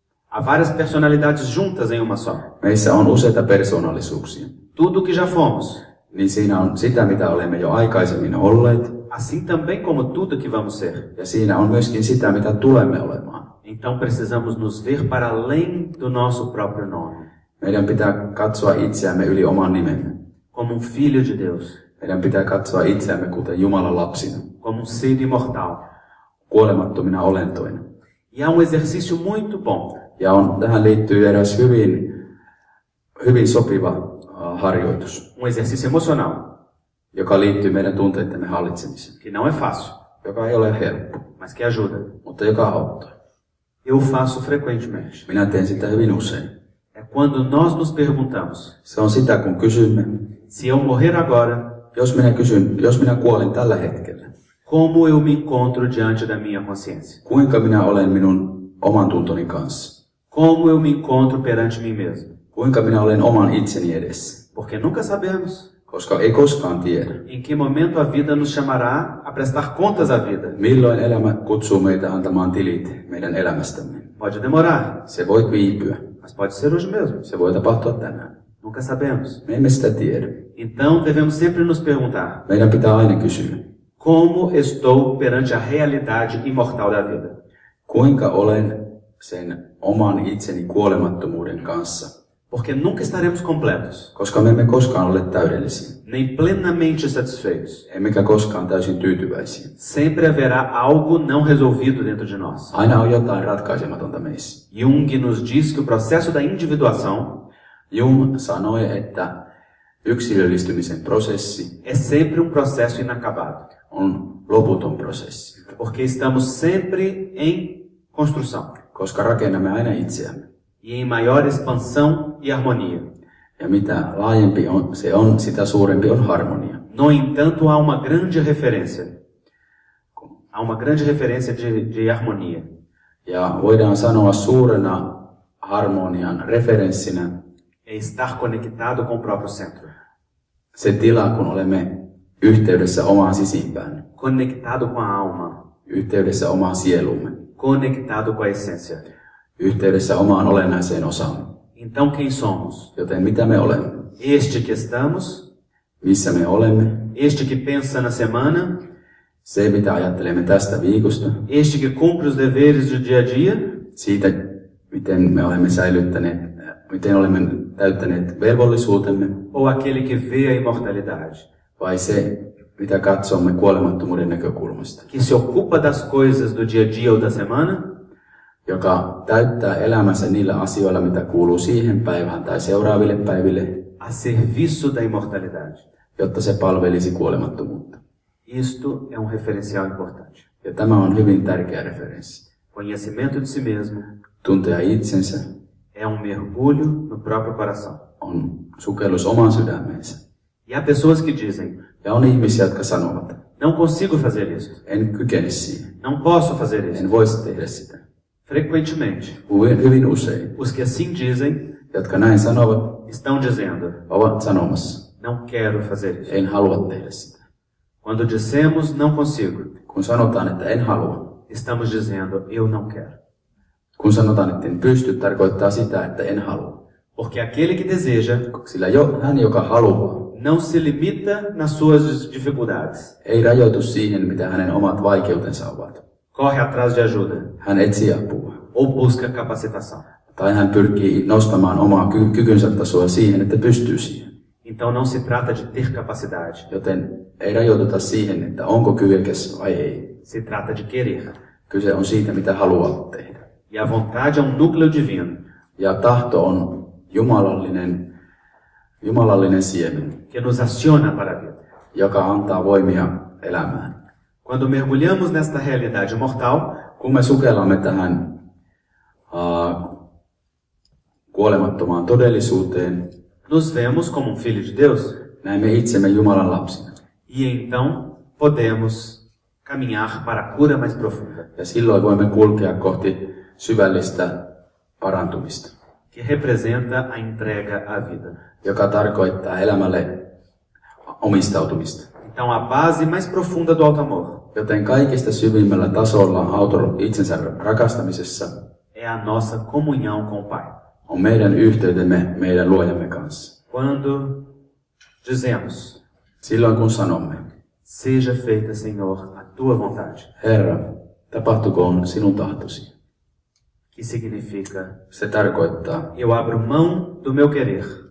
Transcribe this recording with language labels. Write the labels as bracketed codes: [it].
[pt] Há várias personalidades juntas em uma só. [fi] Meissä on useita persoonallisuuksia. [pt] Tudo que já fomos. [fi] Niin siinä on sitä, mitä olemme jo aikaisemmin olleet. [pt] Assim também como tudo que vamos ser. [fi] Ja siinä on myöskin sitä, mitä tulemme olemaan. [pt] Então precisamos nos ver para além do nosso próprio nome. [fi] Meidän pitää katsoa itseämme yli oman nimemme. [pt] Como um filho de Deus. [fi] Meidän pitää katsoa itseämme kuten Jumalan lapsina. [pt] Como um ser imortal. [fi] Kuolemattomina olentoina. [pt] E há um exercício muito bom. [fi] Ja on, tähän liittyy eräs hyvin, hyvin sopiva harjoitus. [pt] Um exercício emocional. [fi] Joka liittyy meidän tunteittemme hallitsemiseen. [pt] Que não é fácil. [fi] Joka ei ole helppo. [pt] Mas que ajuda. [fi] Mutta joka auttaa. [pt] Eu faço frequentemente. [fi] Minä teen sitä hyvin usein. [pt] É quando nós nos perguntamos. [fi] Se on sitä, kun kysymme. [pt] Se eu morrer agora. [fi] Jos minä kuolen tällä hetkellä. [pt] Como eu me encontro diante da minha consciência. [fi] Kuinka minä olen minun oman tuntoni kanssa. [pt] Como eu me encontro perante mim mesmo. [fi] Kuinka minä olen oman itseni edessä. [pt] Porque nunca sabemos. [fi] Koska ei koskaan tiedä. [pt] Em que momento a vida nos chamará a prestar contas à vida. [fi] Milloin elämä kutsuu meitä antamaan tilit meidän elämästämme. [pt] Pode demorar. [fi] Se voi viipyä. [pt] Mas pode ser hoje mesmo. [fi] Se voi tapahtua tänään. [pt] Nunca sabemos. [fi] Me emme sitä tiedä. [pt] Então devemos sempre nos perguntar. [fi] Meidän pitää aina kysyä. [pt] Como estou perante a realidade imortal da vida? [fi] Kuinka olen sen oman itseni kuolemattomuuden kanssa? [pt] Porque nunca estaremos completos. [fi] Koska me emme koskaan ole täydellisiä. [pt] Nem plenamente satisfeitos. [fi] Emmekä koskaan täysin tyytyväisiä. [pt] Sempre haverá algo não resolvido dentro de nós. [fi] Aina on jotain ratkaisematonta meissä. [pt] Jung nos diz que o processo da individuação. [fi] Jung sanoi, että yksilöllistymisen prosessi. [pt] É sempre processo inacabado. [fi] On loputon prosessi. [pt] Porque estamos sempre em construção. [fi] Koska rakennamme aina itseämme. [pt] E em maior expansão e harmonia. [fi] Ja mitä laajempi on, se on, sitä suurempi on harmonia. [pt] No entanto, há uma grande referência. Há uma grande referência de harmonia. [fi] Ja voidaan sanoa suurena harmonian referenssinä. [pt] É estar conectado com o próprio centro. [fi] Se tila, kun olemme yhteydessä omaan sisimpään. [pt] Conectado com a alma. [fi] Yhteydessä omaan sieluumme. [pt] Conectado com a essência. [fi] Yhteydessä omaan olennaiseen osaan. [pt] Então quem somos? [fi] Joten mitä me olemme? [pt] Este que estamos. [fi] Missä me olemme? [pt] Este que pensa na semana. [fi] Se mitä ajattelemme tästä viikosta. [pt] Este que cumpre os deveres do dia a dia. [fi] Siitä, miten me olemme säilyttäneet, miten olemme täyttäneet velvollisuutemme. [pt] Ou aquele que vê a imortalidade. [fi] Vai se, mitä katsomme kuolemattomuuden näkökulmasta. [pt] Que se ocupa das coisas do dia a dia ou da semana. [fi] Joka täyttää elämänsä niillä asioilla, mitä kuuluu siihen päivään tai seuraaville päiville. [pt] A serviço da imortalidade. [fi] Jotta se palvelisi kuolemattomuutta. [pt] Isto é referencial importante. [fi] Ja tämä on hyvin tärkeä referenssi. [pt] Conhecimento de si mesmo. [fi] Tuntea itsensä. [pt] É mergulho no próprio coração. [fi] On sukellus omaan sydämeensä. [pt] E há pessoas que dizem. [fi] Ja on ihmisiä, jotka sanovat. [pt] Não consigo fazer isso. [fi] En kykene siihen. [pt] Não posso fazer isso. [fi] En voisi tehdä sitä. [pt] Frequentemente. [fi] Hyvin usein. [pt] Os que assim dizem. [fi] Jotka näin sanovat. [pt] Estão dizendo. [fi] Ovat sanomassa. [pt] Não quero fazer isso. [fi] En halua tehdä sitä. [pt] Quando dissemos, não consigo. [fi] Kun sanotaan, että en halua. [pt] Estamos dizendo, eu não quero. [fi] Kun sanotaan, että en pysty, tarkoittaa sitä, että en halua. [pt] Porque aquele que deseja. [fi] Sillä jo, hän, joka haluaa. [pt] Não se limita nas suas dificuldades. [fi] Ei rajoitu siihen, mitä hänen omat vaikeutensa ovat. [pt] Corre atrás de ajuda. [fi] Hän etsii apua. [pt] Ou busca capacitação. [fi] Tai hän pyrkii nostamaan omaa kykynsä tasoa siihen, että pystyy siihen. [pt] Então não se trata de ter capacidade. [fi] Joten ei rajoituta siihen, että onko kyvykäs vai ei. [pt] Se trata de querer. [fi] Kyse on siitä, mitä haluaa tehdä. [pt] E a vontade é núcleo divino. [fi] Ja tahto on jumalallinen. Jumalallinen siemen, [pt] que nos aciona para a vida. [fi] Joka antaa voimia elämään. [pt] Quando mergulhamos nesta realidade mortal, [fi] kun me sukellamme tähän kuolemattomaan todellisuuteen, [pt] nos vemos como um filho de Deus, [fi] näemme itsemme Jumalan lapsina. [pt] E então podemos caminhar para a cura mais profunda. [fi] Ja silloin voimme kulkea kohti syvällistä parantumista. [pt] Que representa a entrega à vida. [fi] Joka tarkoittaa elämälle omistautumista. [pt] Então a base mais profunda do auto-amor. [fi] Joten kaikista syvimmällä tasolla itsensä rakastamisessa [pt] é a nossa comunhão com o Pai. [fi] On meidän yhteytemme meidän luojamme kanssa. [pt] Quando dizemos, [fi] silloin kun sanomme, [pt] seja feita, Senhor, a tua vontade. [fi] Herra, tapahtukoon sinun tahtosi. [pt] Que significa? [fi] Se tarkoittaa. [pt] Eu abro mão do meu querer.